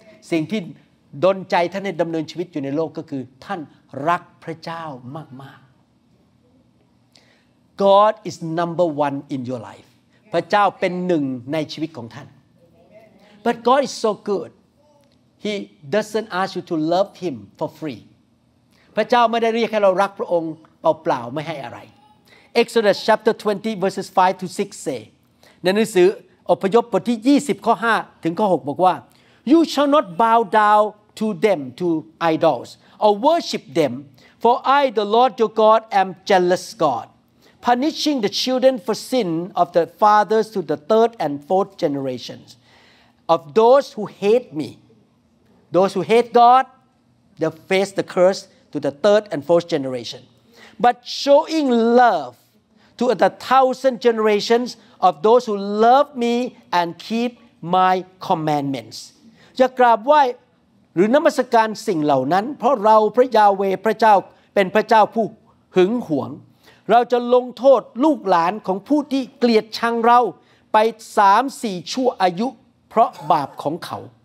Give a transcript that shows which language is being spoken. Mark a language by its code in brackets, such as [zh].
[th] สิ่งที่ดลใจท่านให้ดำเนินชีวิตอยู่ในโลกก็คือท่านรักพระเจ้ามากๆ [en] God is number one in your life. [th] พระเจ้าเป็นหนึ่งในชีวิตของท่าน [en] But God is so good. He doesn't ask you to love him for free. [th] พระเจ้าไม่ได้เรียกให้เรารักพระองค์เปล่าๆไม่ให้อะไร [en] Exodus chapter 20 verses 5 to 6 say [th] ในหนังสืออพยพบทที่20ข้อ5ถึงข้อ6บอกว่า [en] You shall not bow down to them to idols or worship them for I the Lord your God am jealous God punishing the children for sin of the fathers to the third and fourth generations of those who hate me those who hate God they face the cursetto the third and fourth generation. But showing love to the thousand generations of those who love me and keep my commandments. [th] จะกราบไหว้หรือนมัสการสิ่งเหล่านั้นเพราะเราพระยาเวพระเจ้าเป็นพระเจ้าผู้หึงหวงเราจะลงโทษลูกหลานของผู้ที่เกลียดชังเราไป 3-4 ชั่วอายุเพราะบาปของเขา